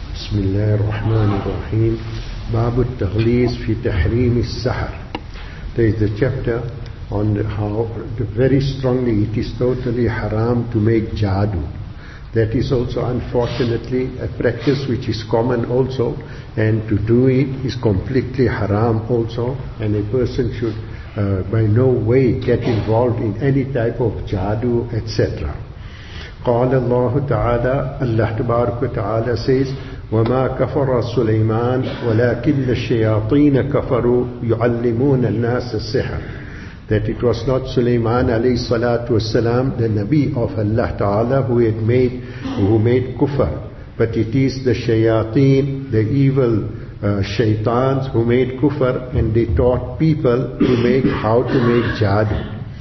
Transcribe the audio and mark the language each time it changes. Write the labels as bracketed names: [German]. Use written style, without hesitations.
[Arabic] بسم الله الرحمن الرحيم باب التغليظ في تحريم السحر. [English] There is a chapter on how very strongly it is totally haram to make jadu. That is also unfortunately a practice which is common also, and to do it is completely haram also, and a person should by no way get involved in any type of jadu, etc. [Arabic] قال الله تعالى الله تبارك وتعالى [English] says [Arabic] وما كفر سليمان ولكن الشياطين كفروا يعلمون الناس السحر. [English] That it was not Sulaiman alayhi salatu wasalam, the Nabi of Allah Ta'ala, who made kufr, but it is the shayateen, the evil shaitans, who made kufr, and they taught people how to make jadu.